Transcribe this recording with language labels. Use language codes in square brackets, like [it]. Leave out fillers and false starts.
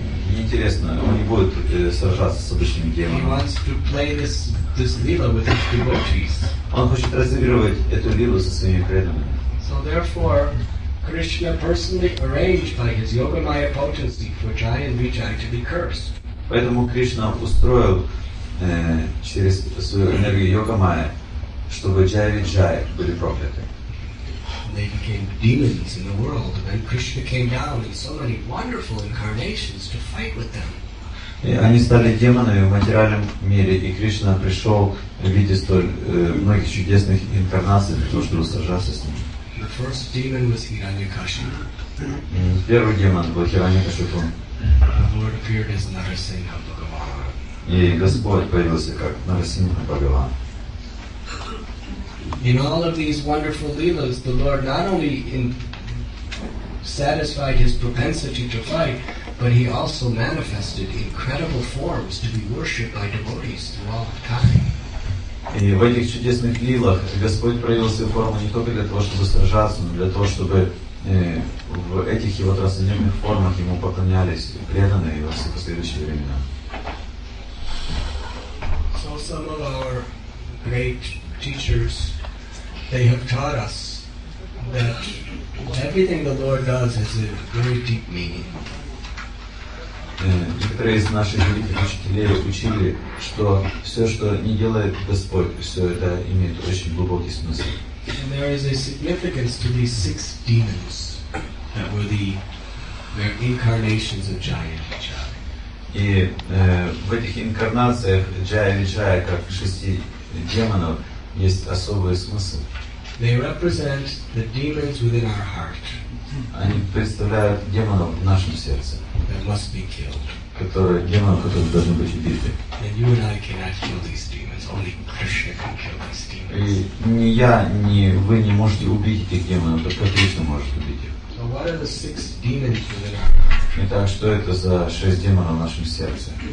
[ru] Неинтересно, он не будет сражаться с обычными демонами. [en] He wants to play this lila with his devotees. [ru] Он хочет разыгрывать эту лилу со своими преданными. [en] So therefore, Krishna personally arranged by his Yogamaya potency for Jai and Vijay to be cursed. [ru] Поэтому Кришна устроил через свою энергию Йога Майя, чтобы Джай Виджай были прокляты. [en] They became demons in the world, and then Krishna came down in so many wonderful incarnations to fight with them. [ru] Они стали демонами в материальном мире, и Кришна пришел в виде столь многих чудесных инкарнаций для того, чтобы сражаться с ними. [en] The first demon was Hiranyakashipu. [ru] Первый демон был Хираньякашипу. [en] The Lord appeared as Narasimha Bhagavan. [ru] И Господь появился как Нарасимха Бхагаван. [en] In all of these wonderful leelas, the Lord not only satisfied his propensity to fight, but he also manifested incredible forms to be worshipped by devotees throughout time. [ru] И в этих чудесных лилах Господь проявил свою форму не только для того, чтобы сражаться, но для того, чтобы в этих его трансцендентных формах ему поклонялись преданные во все последующие времена. [en] So some of our great teachers, they have taught us that everything the Lord does has a very deep meaning. [ru] Некоторые из наших великих учителей учили, что все, что не делает Господь, все это имеет очень глубокий смысл. [en] And there is a significance to these six demons that were the incarnations of Jaya Vijaya. [ru] И в этих инкарнациях Джая Виджая, как шести демонов, есть особый смысл. [en] They represent the demons within our heart. [ru] Они представляют демонов в нашем сердце. [en] That must be killed. [ru] Которые демоны, которые должны быть убиты. [en] And you and I cannot kill these demons. Only Krishna can kill these demons. [ru] И ни я, ни вы не можете убить этих демонов, только Кришна может убить их. [en] So what are the six demons within our heart? [ru] Итак, что это за шесть демонов в нашем сердце?